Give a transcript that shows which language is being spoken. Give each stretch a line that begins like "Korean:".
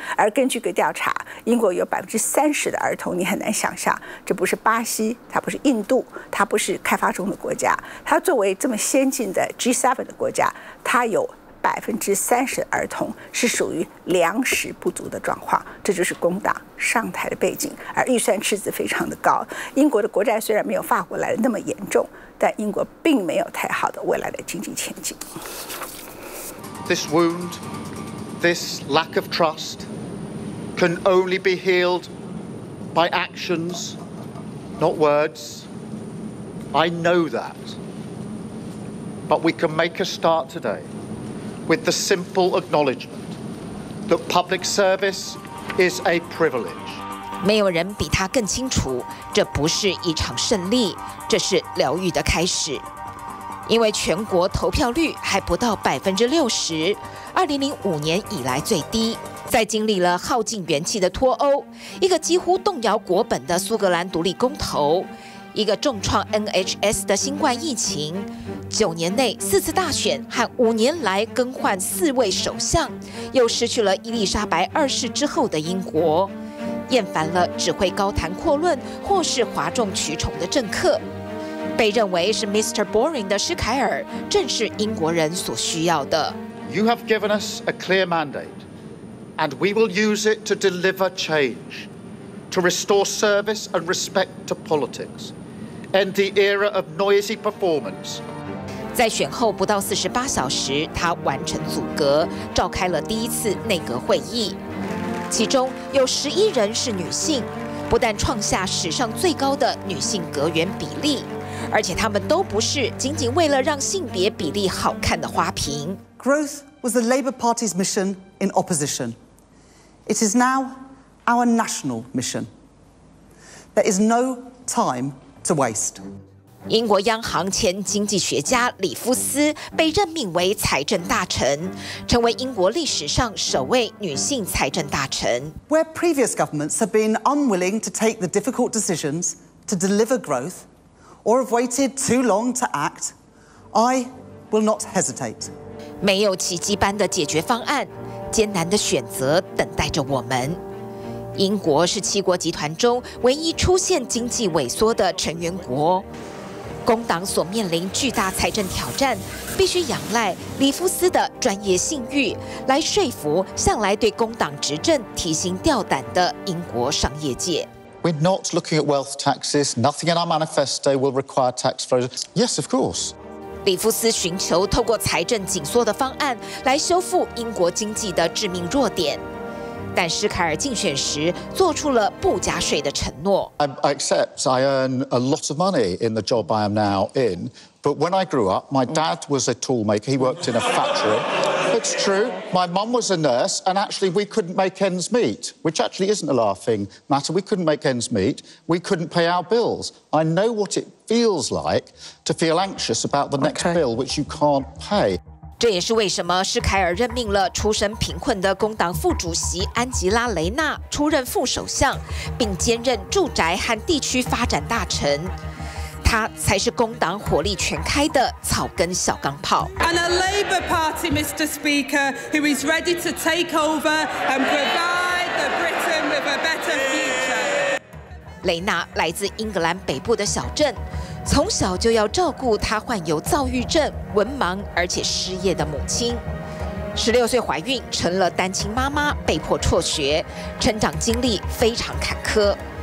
Chinese: 而根据个调查，英国有30%的儿童，你很难想象，这不是巴西，它不是印度，它不是开发中的国家，它作为这么先进的 G7 的国家，它有30%的儿童是属于粮食不足的状况。这就是工党上台的背景。而预算赤字非常的高，英国的国债虽然没有法国来的那么严重，但英国并没有太好的未来的经济前景。
English: This wound, this lack of trust, can only be healed by actions, not words. I know that. But we can make a start today with the simple acknowledgement that public service is a privilege.
Chinese: 没有人比他更清楚，这不是一场胜利，这是疗愈的开始。因为全国投票率还不到60%，2005年以来最低。在经历了耗尽元气的脱欧，一个几乎动摇国本的苏格兰独立公投，一个重创 NHS 的新冠疫情，9年内4次大选和5年来更换4位首相，又失去了伊丽莎白2世之后的英国，厌烦了只会高谈阔论或是哗众取宠的政客。被认为是 Mr. Boring 的施凯尔，正是英国人所需要的。
English: You have given us a clear mandate, and we will use it to deliver change, to restore service and respect to politics, end the era of noisy performance.
Chinese: 在选后不到48小时，他完成组阁，召开了第一次内阁会议，其中有11人是女性，不但创下史上最高的女性阁员比例。而且他们都不是仅仅为了让性别比例好看的花瓶。
English: Growth was the Labour Party's mission in opposition. It is now our national mission. There is no time to waste.
Chinese: 英国央行前经济学家里夫斯被任命为财政大臣，成为英国历史上首位女性财政大臣。
English: Where previous governments have been unwilling to take the difficult decisions to deliver growth. Or have waited too long to act, I will not hesitate.
Chinese: 没有奇迹般的解决方案，艰难的选择等待着我们。英国是7国集团中唯一出现经济萎缩的成员国。工党所面临巨大财政挑战，必须仰赖里夫斯的专业信誉来说服向来对工党执政提心吊胆的英国商业界。
English: We're not looking at wealth taxes. Nothing in our manifesto will require tax frozen. Yes, of course.
Chinese: 里夫斯寻求透过财政紧缩的方案来修复英国经济的致命弱点，但施凯尔竞选时做出了不加税的承诺。
English: I accept I earn a lot of money in the job I am now in, but when I grew up, my dad was a toolmaker. He worked in a factory. It's true. My mum was a nurse, and actually we couldn't make ends meet, which actually isn't a laughing matter. We couldn't make ends meet. We couldn't pay our bills. I know what it feels like to feel anxious about the next bill which you can't pay.
Chinese: 这也是为什么施凯尔任命了出身贫困的工党副主席安吉拉·雷纳出任副首相，并兼任住宅和地区发展大臣。他才是工党火力全开的草根小钢炮。
English: And a Labour Party, Mr. Speaker, who is ready to take over and provide the Britain with a better future.
Chinese: 雷纳来自英格兰北部的小镇，从小就要照顾他患有躁郁症、文盲而且失业的母亲。 16岁怀孕成了单亲妈妈，被迫辍学，成长经历非常坎坷。